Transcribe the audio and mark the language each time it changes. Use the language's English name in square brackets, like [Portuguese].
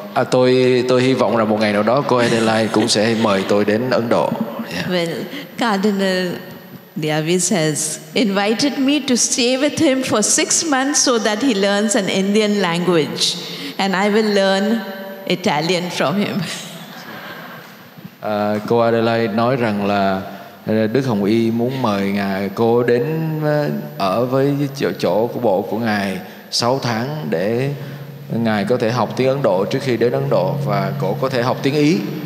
[Vietnamese] Tôi hy vọng là một ngày nào đó cô Adelaide cũng sẽ mời tôi đến Ấn Độ. [English] Yeah. Well, Cardinal Davis has invited me to stay with him for 6 months so that he learns an Indian language, and I will learn Italian from him. [Vietnamese] Cô Adelaide nói rằng là Đức Hồng Y muốn mời ngài cô đến ở với chỗ của bộ của ngài 6 tháng để ngài có thể học tiếng Ấn Độ trước khi đến Ấn Độ và cổ có thể học tiếng Ý.